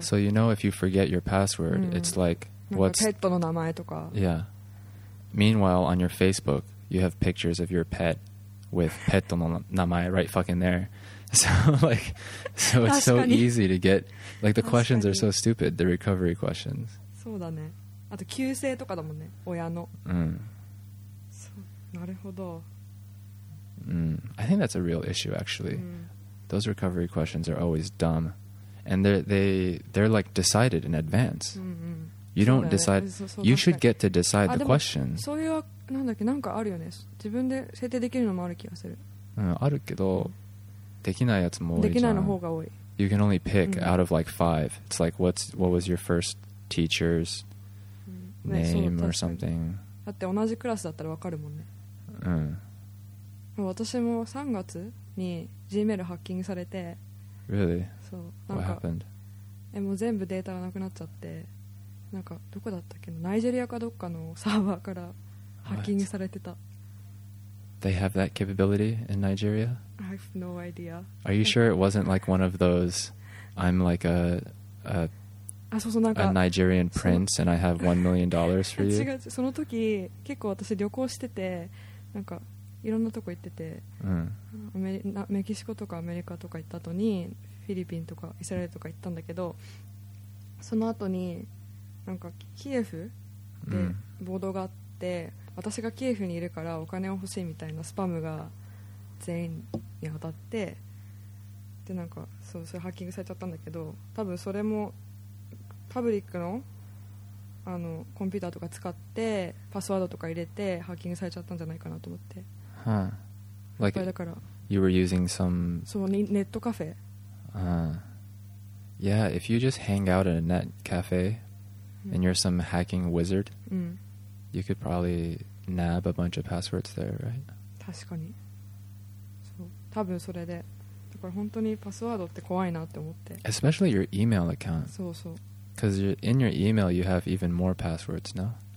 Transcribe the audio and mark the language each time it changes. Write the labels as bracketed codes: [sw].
[en] So you know if you forget your password, it's like, what's... [ja] ペットの名前とか。 [en] Yeah. Meanwhile, on your Facebook, you have pictures of your pet with [ja] ペットの名前 [en] right fucking there. So like, so it's so easy to get... Like the questions are so stupid, the recovery questions. [ja] そうだね。あと、旧姓とかだもんね、親の。そう、なるほど。 [en] I think that's a real issue, actually. Those recovery questions are always dumb. And they're like decided in advance. You don't decide. You should get to decide the question. [ja] そういうなんだっけ、なんかあるよね。自分で設定できるのもある気がする。あるけど、できないやつも多いじゃん。できないの方が多い。 [en] You can only pick out of like five. It's like what was your first teacher's name or something. [ja] だって同じクラスだったらわかるもんね。私も3月に Gmail ハッキングされて。 [en] Really? [ja] そう、 [en] What happened? [ja] もう全部データがなくなっちゃって、なんかどこだったっけ、ナイジェリアかどっかのサーバーからハッキングされてた。 [en] They have that capability in Nigeria? I have no idea. Are you sure it wasn't like one of those, I'm like a Nigerian prince and I have $1 million for you? [ja] 違う、その時結構私旅行してて、なんかいろんなとこ行ってて、メキシコとかアメリカとか行った後にフィリピンとかイスラエルとか行ったんだけど、その後になんかキエフで暴動があって、私がキエフにいるからお金を欲しいみたいなスパムが全員に当たって、でなんかそう、それハッキングされちゃったんだけど、多分それもパブリック あのコンピューターとか使ってパスワードとか入れてハッキングされちゃったんじゃないかなと思って、 [en] huh. like、 [ja] だから [en] you were using some... [ja] そうネットカフェ、 [en] yeah, if you just hang out in a net cafe and you're some hacking wizard, you could probably nab a bunch of passwords there, right? [ja] 確かに。そう、多分それで。だから本当にパスワードって怖いなって思って。 [en] Especially your email account. [ja] そうそう。 [en] Because in your email you have even more passwords, no?